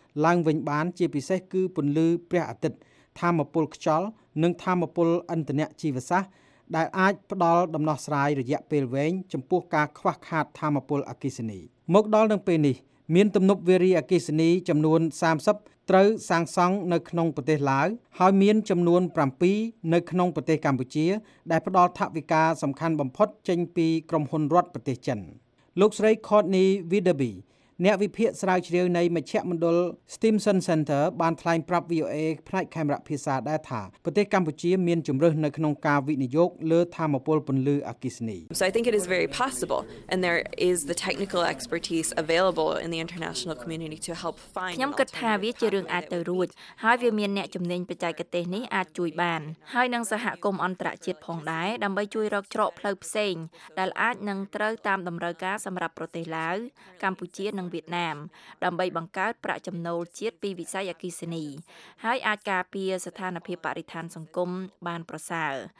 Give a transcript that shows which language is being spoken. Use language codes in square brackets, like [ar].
[km] ឡើងវិញបានជាពិសេសគឺពន្លឺព្រះអាទិត្យថាមពលខ្យល់និងថាមពលឥន្ធនៈជីវសាស្ត្រដែលអាចផ្ដល់ដំណោះស្រាយរយៈពេលវែងចំពោះការខ្វះខាតថាមពលអគ្គិសនីមកដល់នឹងពេលនេះមានទំនប់វារីអគ្គិសនីចំនួន30ត្រូវសាងសង់នៅក្នុងប្រទេសឡាវហើយមានចំនួន7នៅក្នុងប្រទេសកម្ពុជាដែលផ្ដល់ថវិកាសំខាន់បំផុតចេញពីក្រុមហ៊ុនរដ្ឋប្រទេសចិន លោកស្រីខតនីវីដាប៊ីអ្នកវិភាគស្រាវជ្រាវនៃមជ្ឈមណ្ឌល Stimson Center បានថ្លែងប្រាប់ VOA ផ្នែកកាមេរ៉ាភាសាដែរថាប្រទេសកម្ពុជាមានជំរើសនៅក្នុងការវិនិយោគលើថាមពលពន្លឺអគ្គិសនី [en] So I think it is very possible and there is the technical expertise available in the international community to help find [km] ខ្ញុំគិតថាវាជារឿងអាចទៅរួចហើយវាមានអ្នកជំនាញបច្ចេកទេសនេះអាចជួយបានហើយនឹងសហគមន៍អន្តរជាតិផងដែរដើម្បីជួយរកច្រកផ្លូវផ្សេងដែលអាចនឹងត្រូវតាមតម្រូវការសម្រាប់ប្រទេសឡាវកម្ពុជាវៀតណាមដើម្បីបង្កើតប្រាក់ចំណូលជាតិពីវិស័យអគ្គិសនីហើយអាចការពារស្ថានភាពបរិស្ថានសង្គមបានប្រសើរ